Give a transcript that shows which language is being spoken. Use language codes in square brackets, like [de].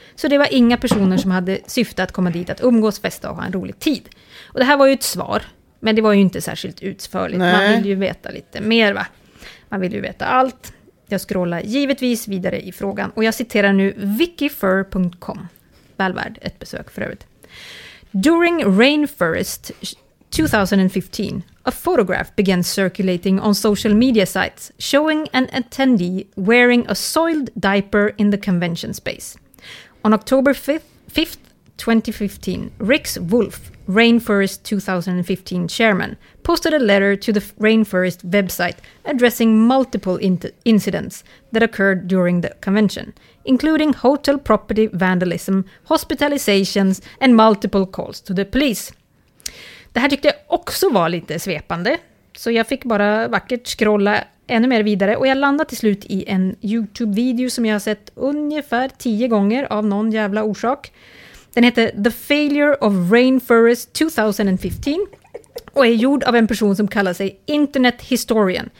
[sv] Så det var inga personer som hade syfte att komma dit att umgås, festa och ha en rolig tid. Och det här var ju ett svar, Men det var ju inte särskilt utförligt. Nej. Man vill ju veta lite mer, va? Man vill ju veta allt. Jag scrollar givetvis vidare i frågan. Och jag citerar nu wikifur.com. Väl värd ett besök för övrigt. [en] During Rainforest 2015, a photograph began circulating on social media sites showing an attendee wearing a soiled diaper in the convention space. On October 5th, 2015, Rix Wolf, Rainforest 2015 chairman, posted a letter to the Rainforest website addressing multiple incidents that occurred during the convention, including hotel property vandalism, hospitalizations and multiple calls to the police. [sv] Det här tyckte jag också var lite svepande, så jag fick bara vackert scrolla ännu mer vidare och jag landade till slut i en YouTube-video som jag har sett ungefär 10 gånger av någon jävla orsak. Den heter The Failure of Rainforest 2015 och är gjord av en person som kallar sig Internet Historian.